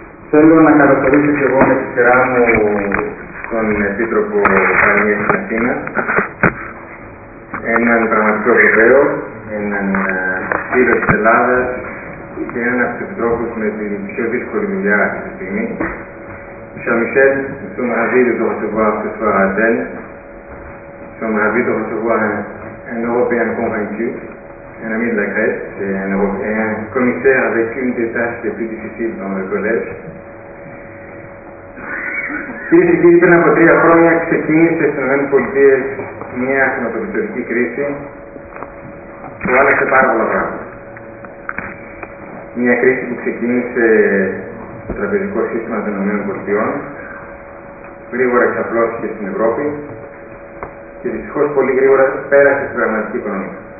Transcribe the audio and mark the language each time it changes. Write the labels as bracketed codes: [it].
[el] Θέλω να καλωσορίσω και εγώ με τη σειρά μου τον Επίτροπο Παραγγελίας στην Αθήνα. Έναν πραγματικό Ευρωπαίο, έναν φίλο της Ελλάδας και έναν από τους ανθρώπους με την πιο δύσκολη δουλειά αυτή τη στιγμή. [fr] Jean-Michel, nous sommes ravis de te recevoir ce soir à Athènes. Nous sommes ravis de recevoir un Européen convaincu, un ami de la Grèce et un commissaire avec une des tâches les plus difficiles dans le collège. [el] Κύριε και κύριοι, πριν από τρία χρόνια ξεκίνησε στις ΗΠΑ μια χρηματοπιστωτική κρίση που άλλαξε πάρα πολλά πράγματα. Μια κρίση που ξεκίνησε στο τραπεζικό σύστημα των ΗΠΑ, γρήγορα εξαπλώθηκε στην Ευρώπη και δυστυχώς πολύ γρήγορα πέρασε στην πραγματική οικονομία.